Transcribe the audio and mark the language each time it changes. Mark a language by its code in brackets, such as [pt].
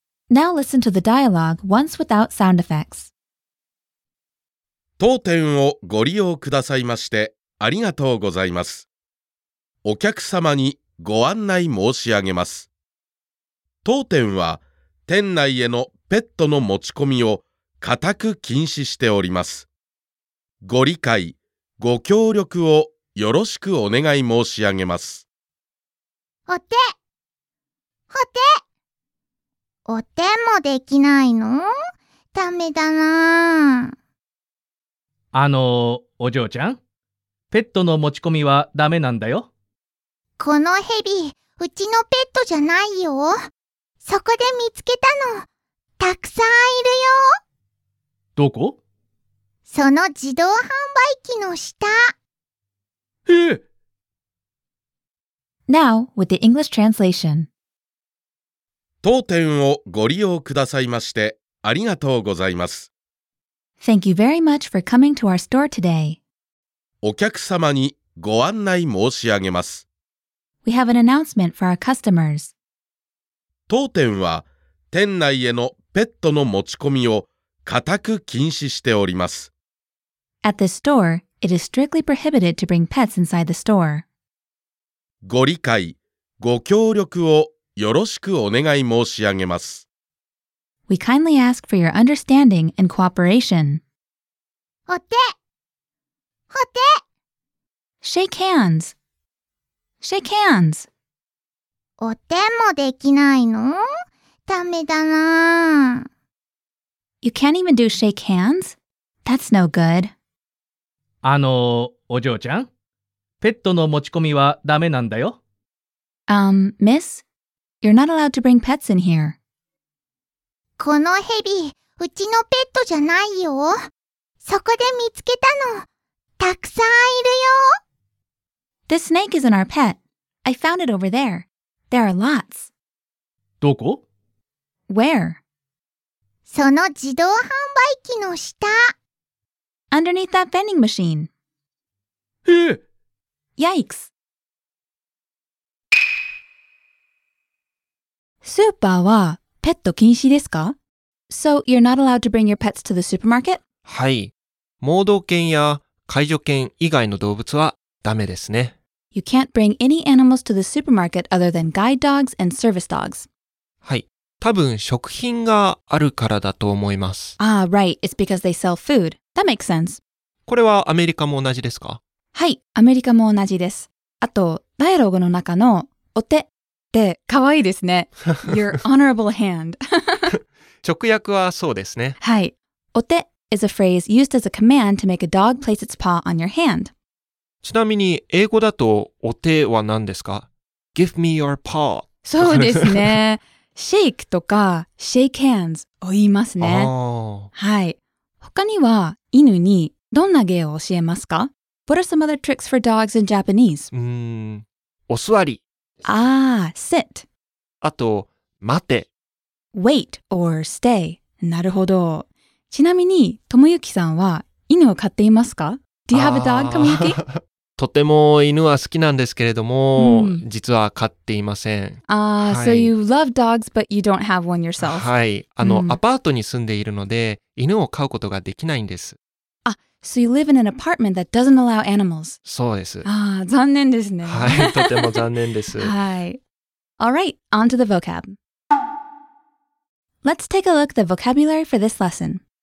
[en] Now listen to the dialogue once without sound effects. [ja] 当店をご利用くださいましてありがとうございます。お客様にご案内申し上げます。当店は店内へのペットの持ち込みを固く禁止しております。ご理解、ご協力をよろしくお願い申し上げます。お手もできないの？ダメだな。お嬢ちゃん、ペットの持ち込みはダメなんだよ。このヘビ、うちのペットじゃないよ。そこで見つけたの。たくさんいるよ。どこ？その自動販売機の下。 [en] Now, with the English translation. [ja] 当店をご利用くださいましてありがとうございます。 [en] Thank you very much for coming to our store today. [ja] お客様にご案内申し上げます。 [en] We have an announcement for our customers. [ja] 当店は店内へのペットの持ち込みを固く禁止しております。 [en] At this store, it is strictly prohibited to bring pets inside the store. [ja] ご理解、ご協力をよろしくお願い申し上げます。 [en] We kindly ask for your understanding and cooperation. [ja] お手! [en] Shake hands! [ja] お手もできないの？ダメだな。 [en] You can't even do shake hands? That's no good. [ja] お嬢ちゃん、ペットの持ち込みはダメなんだよ。 [en] Miss? You're not allowed to bring pets in here. [ja] このヘビ、うちのペットじゃないよ。そこで見つけたの。たくさんいるよ。 [en] This snake isn't our pet. I found it over there. There are lots. [ja] どこ？ [en] Where? [ja] その自動販売機の下。 [en] Underneath that vending machine. Yikes! [ja] スーパーはペット禁止ですか？ [en] So, you're not allowed to bring your pets to the supermarket? [ja] はい。盲導犬や介助犬以外の動物はダメですね。 [en] You can't bring any animals to the supermarket other than guide dogs and service dogs. [ja] はい、多分食品があるからだと思います。 [en] Ah, right. It's because they sell food. That makes sense. [ja] これはアメリカも同じですか？はい、アメリカも同じです。あと、ダイアログの中のお手って可愛いですね。 [en] Your honorable hand. [ja] 直訳はそうですね。 [en] はい、お手 is a phrase used as a command to make a dog place its paw on your hand. [ja] ちなみに英語だとお手は何ですか？ [en] Give me your paw. [ja] そうですね。 [en] Shake [ja] とか [en] shake hands [ja] を言いますね。あ、はい。他には犬にどんな芸を教えますか？ [en] What are some other tricks for dogs in Japanese? [ja] お座り。 [en] ああ、sit。 [ja] あと、待て。 [en] Wait or stay。 [ja] なるほど。ちなみに、ともゆきさんは犬を飼っていますか？ [en] Do you have a dog, ともゆき？ [ja] とても犬は好きなんですけれども、うん、実は飼っていません。ああ、は [en] い、so you love dogs, but you don't have one yourself. [ja] はい。あの、うん、アパートに住んでいるので、犬を飼うことができないんです。 [en] So you live in an apartment that doesn't allow animals. [ja] そうです。ああ、残念ですね。はい、とても残念です。 [en] はい。All right, on to the vocab. Let's take a look at the vocabulary for this lesson.